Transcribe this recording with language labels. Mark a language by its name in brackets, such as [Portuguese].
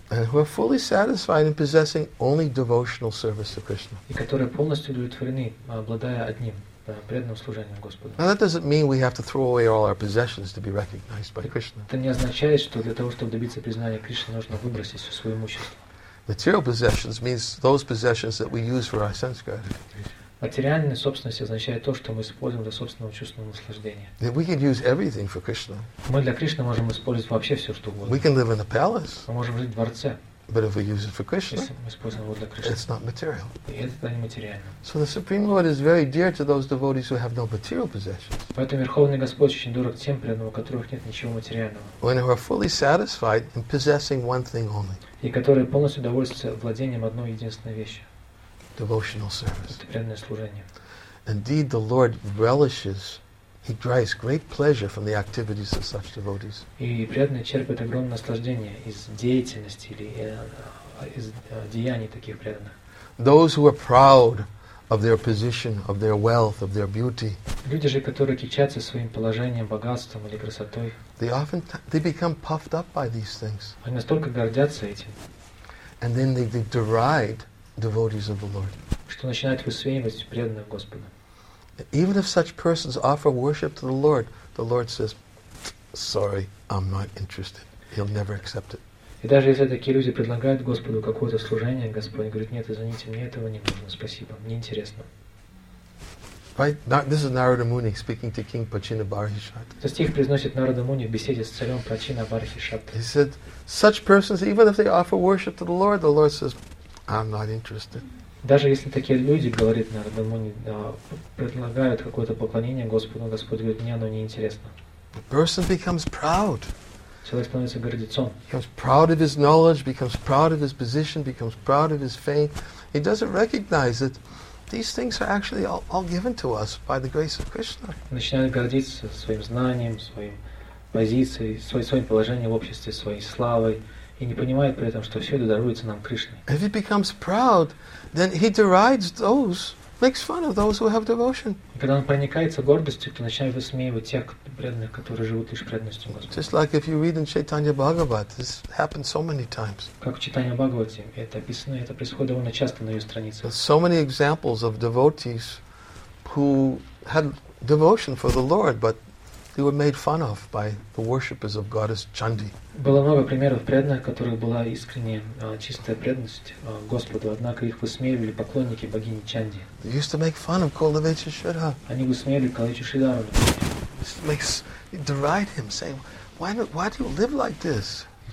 [English] And who are fully satisfied in possessing only devotional service to Krishna. [Russian] И которые полностью удовлетворены, обладая одним. [English] Now that doesn't mean we have to throw away all our possessions to be recognized by Krishna. [Russian] Это не означает, что для того, чтобы добиться признания Кришны, нужно выбросить все свое имущество. [English] Material possessions means those possessions that we use for our sense gratification. [Russian] Материальная собственность означает то, что мы используем для собственного чувственного наслаждения. [English] That we can use everything for Krishna. [Russian] Мы для Кришны можем использовать вообще все, что угодно. [English] We can live in a palace. [Russian] Мы можем жить в дворце. [English] But if we use it for Krishna, it's not material. So the Supreme Lord is very dear to those devotees who have no material possessions. [Russian] Поэтому Верховный Господь очень дорог тем преданным, у которых нет ничего материального. [English] When they are fully satisfied in possessing one thing only. [Russian] И которые полностью довольствуются владением одной единственной вещью. [English] Devotional service. [Russian] Это преданное служение. [English] Indeed, the Lord relishes. He derives great pleasure from the activities of such devotees. [Russian] И преданный черпает огромное наслаждение из деятельности или из деяний таких преданных. [English] Those who are proud of their position, of their wealth, of their beauty. [Russian] Люди же, которые кичатся своим положением, богатством или красотой. [English] They become puffed up by these things. [Russian] Они настолько гордятся этим. [English] And then they deride devotees of the Lord. [Russian] Что начинают высмеивать преданных Господа. [English] Even if such persons offer worship to the Lord says, "Sorry, I'm not interested." He'll never accept it. [Russian] И даже если такие люди предлагают Господу какое-то служение, Господь говорит: "Нет, извините, мне этого не нужно. Спасибо, мне интересно." [English] Right? This is Narada Muni speaking to King Pachinabarhishat. [Russian] Этот стих произносит Нарада Муни в беседе с царем Пачинабархишат. [English] He said, "Such persons, even if they offer worship to the Lord says, I'm not interested." [Russian] Даже если такие люди, говорит Нарада Муни, предлагают какое-то поклонение Господу, Господь говорит: "Мне оно не интересно." [English] The person becomes proud. [Russian] Человек становится гордецом. [English] Becomes proud of his knowledge, becomes proud of his position, becomes proud of his fame. He doesn't recognize that these things are actually all given to us by the grace of Krishna. [Russian] Начинает гордиться своим знанием, своим позицией, своим положением в обществе, своей славой. И не понимает при этом, что все это даруется нам Кришной. [English] If he becomes proud, then he derides those, makes fun of those who have devotion. [Russian] И когда он проникается гордостью, то начинает высмеивать тех преданных, которые живут лишь преданностью Господа. [English] Just like if you read in Chaitanya Bhagavat, this happens so many times. [Russian] Как в Читании Бхагавате это описано, это происходит довольно часто на ее странице. [English] So many examples of devotees who had devotion for the Lord, but they were made fun of by the worshippers of goddess Chandi. [Russian] Было много примеров преданных, которых была искренняя чистая преданность Господу, однако их высмеивали поклонники богини Чанди. [English] They used to make fun of Kuldevacha Shridhara. [Russian] Они высмеивали Kuldevacha Shridhara. [English] They deride him, saying, "Why do you live like this?"